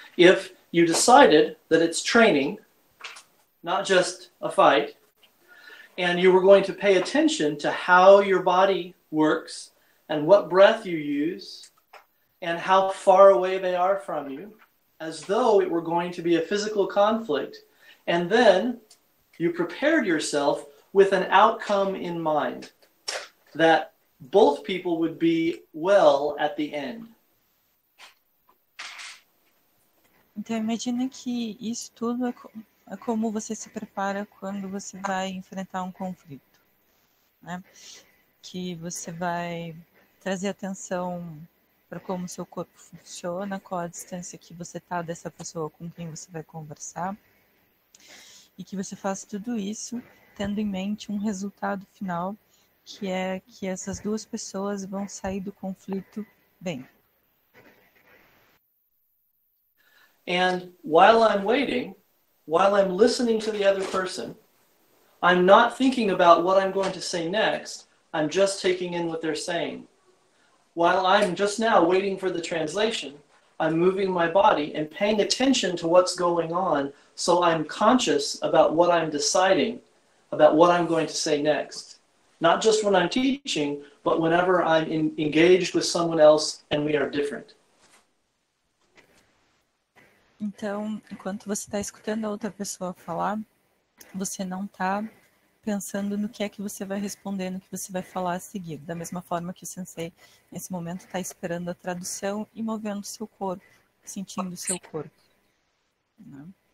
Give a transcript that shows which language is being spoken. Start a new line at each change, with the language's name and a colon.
English: If you decided that it's training, not just a fight, and you were going to pay attention to how your body works and what breath you use and how far away they are from you, as though it were going to be a physical conflict, and then you prepared yourself with an outcome in mind that both people would be well at the end.
Portuguese: Então imagina que isso tudo é como você se prepara quando você vai enfrentar um conflito, né? Que você vai trazer atenção para como seu corpo funciona, qual a distância que você está dessa pessoa com quem você vai conversar. E que você faça tudo isso tendo em mente um resultado final, que é que essas duas pessoas vão sair do conflito bem.
English: And while I'm waiting, while I'm listening to the other person, I'm not thinking about what I'm going to say next, I'm just taking in what they're saying. While I'm just now waiting for the translation, I'm moving my body and paying attention to what's going on, so I'm conscious about what I'm deciding, about what I'm going to say next. Not just when I'm teaching, but whenever I'm engaged with someone else and we are different.
Portuguese: Então, enquanto você está escutando a outra pessoa falar, você não está pensando no que é que você vai responder, no que você vai falar a seguir. Da mesma forma que o sensei, nesse momento, está esperando a tradução e movendo seu corpo, sentindo seu corpo. Né?